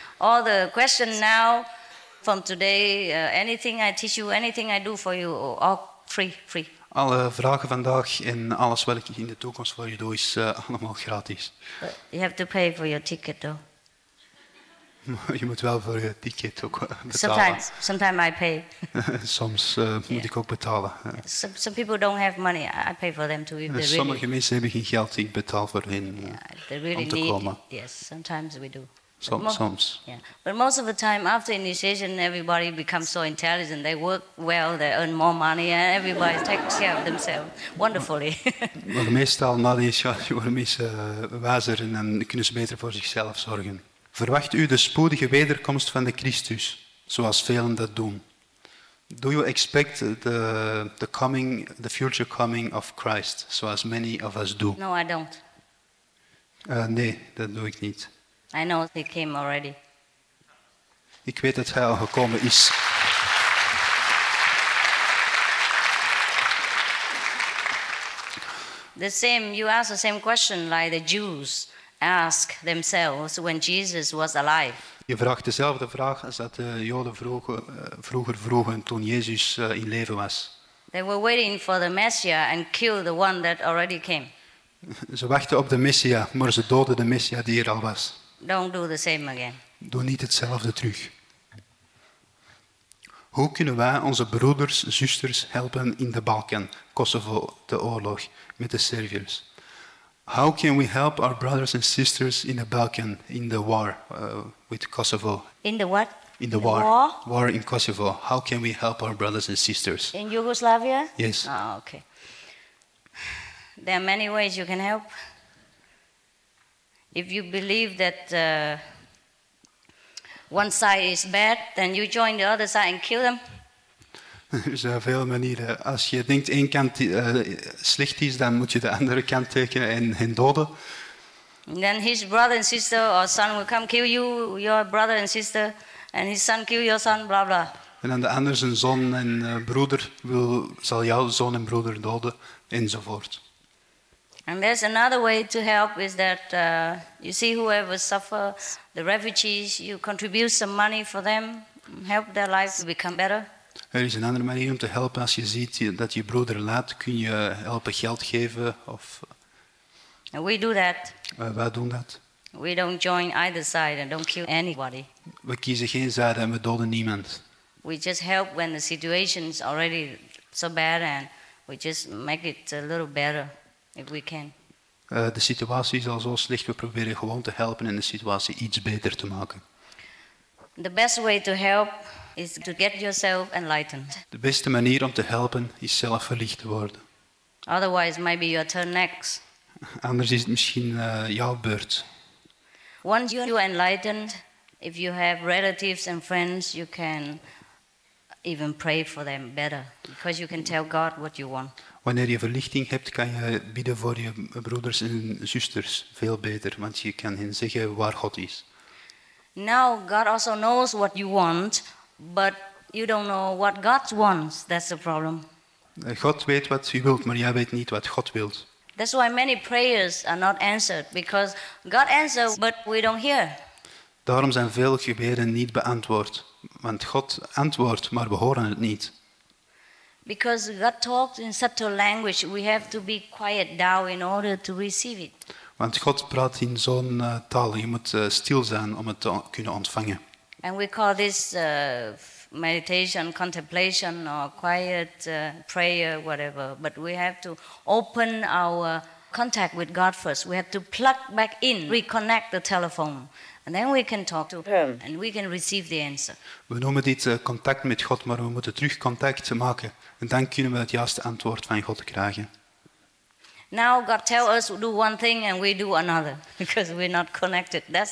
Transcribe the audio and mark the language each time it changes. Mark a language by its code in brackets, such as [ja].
[en] All the question now, from today, anything I teach you, anything I do for you, all free. [nl] Alle vragen vandaag en alles wat ik in de toekomst voor je doe, is allemaal gratis. [en] You have to pay for your ticket, though. [nl] Je moet wel voor je ticket ook betalen. [en] Sometimes I pay. [nl] Soms moet ik ook betalen. [en] Some people don't have money. I pay for them to be really... [nl] Sommige mensen hebben geen geld. Ik betaal voor hen [en] really [nl] om te [en] need [nl] komen. [en] It. Yes, sometimes we do. [nl] Soms. [en] Yeah. But most of the time, after initiation, everybody becomes so intelligent. They work well, they earn more money, and everybody takes care of themselves wonderfully. [nl] Maar meestal na de initiatie worden mensen wijzer en dan kunnen ze beter voor zichzelf zorgen. Verwacht u de spoedige wederkomst van de Christus, zoals velen dat doen. [en] Do you expect the future coming of Christ, [nl] zoals [en] many of us do? No, I don't. [nl] Nee, dat doe ik niet. [en] I know he came already. [nl] Ik weet dat hij al gekomen is. [en] The same, you ask the same question like the Jews ask themselves when Jesus was alive. [nl] Je vraagt dezelfde vraag als dat de Joden vroeger vroegen toen Jezus in leven was. [en] They were waiting for the Messiah and killed the one that already came. [nl] Ze wachten op de Messiah, maar ze doden de Messiah die er al was. [en] Don't do the same again. [nl] Doe niet hetzelfde terug. Hoe kunnen wij onze broeders, zusters helpen in de Balkan, Kosovo, de oorlog met de Serviërs? [en] How can we help our brothers and sisters in the Balkan in the war with Kosovo? In the what? In the war. War? War in Kosovo. How can we help our brothers and sisters? In Yugoslavia? Yes. Oh, okay. There are many ways you can help. If you believe that one side is bad, then you join the other side and kill them. [nl] Er zijn veel manieren. Als je denkt één kant slecht is, dan moet je de andere kant tekenen en hen doden. [en] And then his brother and sister or son will come kill you, your brother and sister, and his son kill your son, blah blah. [nl] En dan de ander zijn zoon en broeder zal jouw zoon en broeder doden enzovoort. [en] And there's another way to help is that you see whoever suffers, the refugees, you contribute some money for them, help their lives become better. [nl] Er is een andere manier om te helpen. Als je ziet dat je broeder laat, kun je helpen geld geven. Of [en] we do that. [nl] Wij doen dat. [en] We don't join either side and don't kill anybody. [nl] We kiezen geen zijde en we doden niemand. [en] We just help when the situation is already so bad and we just make it a little better if we can. [nl] De situatie is al zo slecht. We proberen gewoon te helpen en de situatie iets beter te maken. [en] The best way to help is to get yourself enlightened. [nl] De beste manier om te helpen is zelf verlicht te worden. [en] Otherwise, maybe your turn next. [nl] Anders is het misschien jouw beurt. [en] Once you are enlightened, if you have relatives and friends, you can even pray for them better, because you can tell God what you want. [nl] Wanneer je verlichting hebt, kan je bidden voor je broeders en zusters veel beter, want je kan hen zeggen waar God is. [en] Now God also knows what you want, but you don't know what God wants. That's the problem. [nl] God weet wat u wilt, maar jij weet niet wat God wilt. [en] That's why many prayers are not answered, because God answers, but we don't hear. [nl] Daarom zijn veel gebeden niet beantwoord, want God antwoordt, maar we horen het niet. [en] Because God talks in subtle language, we have to be quiet down in order to receive it. [nl] Want God praat in zo'n taal. Je moet stil zijn om het te kunnen ontvangen. [en] And we call this meditation, contemplation, or quiet prayer, whatever. But we have to open our contact with God first. We have to plug back in, reconnect the telephone. And then we can talk to him, and we can receive the answer. [nl] We noemen dit contact met God, maar we moeten terug contact maken. En dan kunnen we het juiste antwoord van God krijgen. [en] Now God tells us to do one thing and we do another, because we're not connected.